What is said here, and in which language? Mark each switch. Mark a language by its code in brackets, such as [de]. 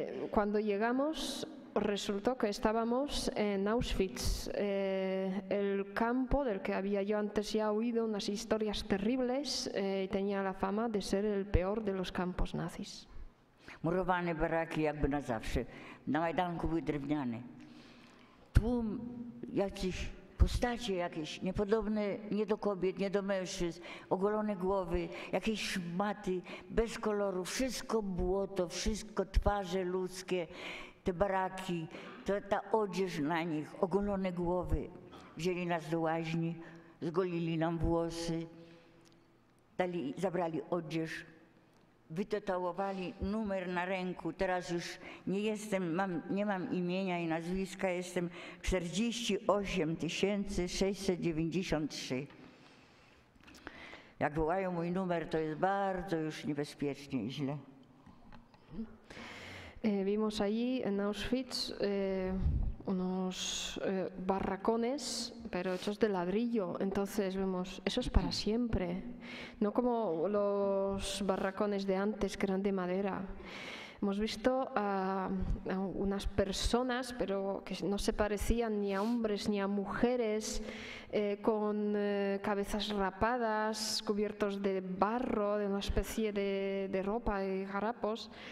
[es] Cuando llegamos resultó que estábamos en Auschwitz, el campo del que había yo antes ya oído unas historias terribles y tenía la fama de ser el peor de los campos nazis. [pl] Murowane baraki jakby na zawsze. Na Majdanku były drewniane. Tłum jakieś postacie jakieś niepodobne nie do kobiet, nie do mężczyzn, ogolone głowy, jakieś szmaty bez koloru, wszystko błoto, wszystko twarze ludzkie. Te baraki, ta odzież na nich, ogolone głowy. Wzięli nas do łaźni, zgolili nam włosy, zabrali odzież, wytetowali numer na ręku. Teraz już nie jestem, nie mam imienia i nazwiska, jestem 48693. Jak wołają mój numer, to jest bardzo już niebezpiecznie i źle. [es] Vimos allí en Auschwitz unos barracones, pero hechos de ladrillo. Entonces vemos, eso es para siempre. No como los barracones de antes, que eran de madera. Hemos visto a unas personas, pero que no se parecían ni a hombres ni a mujeres, con cabezas rapadas, cubiertos de barro, de una especie de ropa y harapos.